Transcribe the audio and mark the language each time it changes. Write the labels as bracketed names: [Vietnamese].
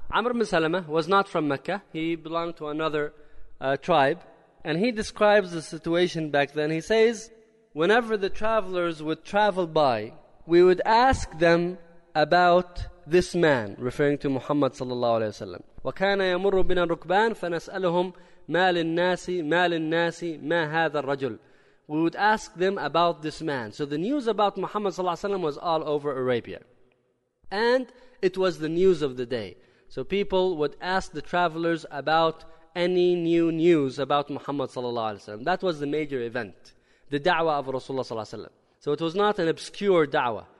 [English] Amr bin Salama was not from Mecca. He belonged to another tribe. And he describes the situation back then. He says, whenever the travelers would travel by, we would ask them about this man, referring to Muhammad sallallahu alayhi wa sallam. [Arabic] وَكَانَ يَمُرُّ بِنَا الرُّكْبَانِ فَنَسْأَلُهُمْ مَا لِلنَّاسِ مَا لِلنَّاسِ مَا هَذَا الرَّجُلِ [English] We would ask them about this man. So the news about Muhammad sallallahu alaihi wasallam was all over Arabia. And it was the news of the day. So people would ask the travelers about any new news about Muhammad sallallahu alaihi wasallam. That was the major event. The da'wah of Rasulullah sallallahu alaihi wasallam. So it was not an obscure da'wah.